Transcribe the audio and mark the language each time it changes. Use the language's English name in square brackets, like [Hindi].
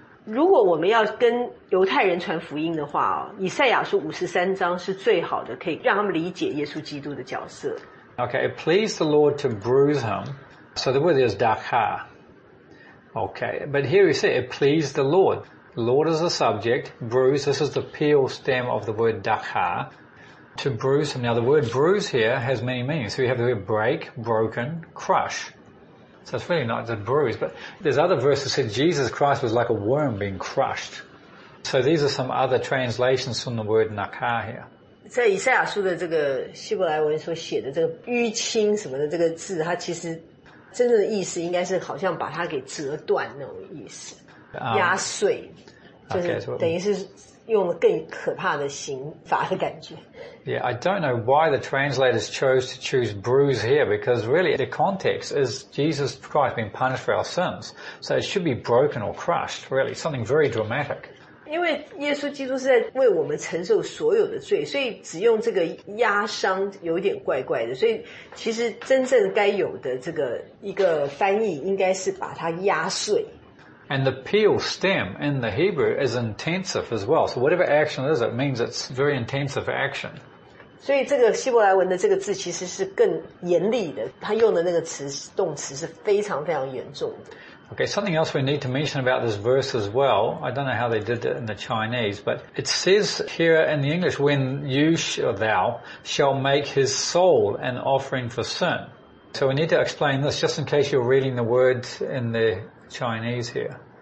[Chinese] 如果我们要跟犹太人传福音的话，以赛亚书53是最好的，可以让他们理解耶稣基督的角色。 [English] Okay, it pleased the Lord to bruise him. So the word is dakha. Okay, but here we say it pleased the Lord. Lord is the subject, bruise, this is the peel stem of the word dakha. To bruise him. Now the word bruise here has many meanings. So you have the word break, broken, crush. So it's really not the bruise, but there's other verses that said Jesus Christ was like a worm being crushed. So these are some other translations from the word naka here. [Chinese] 在以赛亚书的这个希伯来文所写的这个淤青什么的这个字，它其实真正的意思应该是好像把它给折断那种意思，压碎，就是等于是用了更可怕的刑罚的感觉。 [English] Yeah, I don't know why the translators chose to choose bruise here, because really the context is Jesus Christ being punished for our sins. So it should be broken or crushed, really, something very dramatic. [Chinese] 因为耶稣基督是在为我们承受所有的罪，所以只用这个压伤有点怪怪的，所以其实真正该有的这个一个翻译应该是把它压碎。 [English] And the peel stem in the Hebrew is intensive as well. So whatever action it is, it means it's very intensive action. [Chinese] 所以这个希伯来文的这个字其实是更严厉的，他用的那个词动词是非常非常严重的。 [English] Okay, something else we need to mention about this verse as well. I don't know how they did it in the Chinese, but it says here in the English, when you or thou shall make his soul an offering for sin. So we need to explain this just in case you're reading the words in theChinese here.